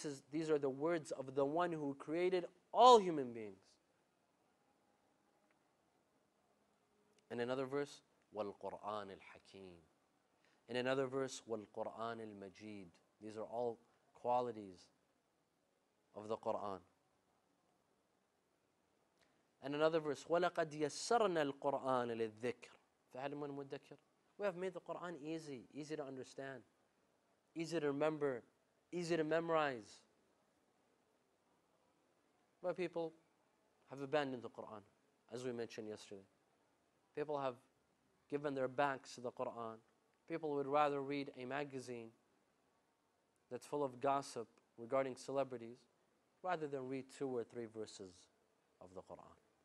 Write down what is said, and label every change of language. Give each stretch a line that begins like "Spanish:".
English: These are the words of the one who created all human beings. In another verse,
Arabic: وَالْقُرْآنِ الْحَكِيمِ.
English: In another verse,
Arabic: وَالْقُرْآنِ الْمَجِيدِ.
English: These are all qualities of the Quran. And another verse,
Arabic: وَلَقَدْ يَسَّرْنَا الْقُرْآنَ لِلذِّكْرِ فَهَلْ مَنْ مُدَّكِرٍ.
English: We have made the Quran easy to understand, easy to remember, easy to memorize. But people have abandoned the Quran, as we mentioned yesterday. People have given their backs to the Quran. People would rather read a magazine that's full of gossip regarding celebrities rather than read two or three verses of the Quran.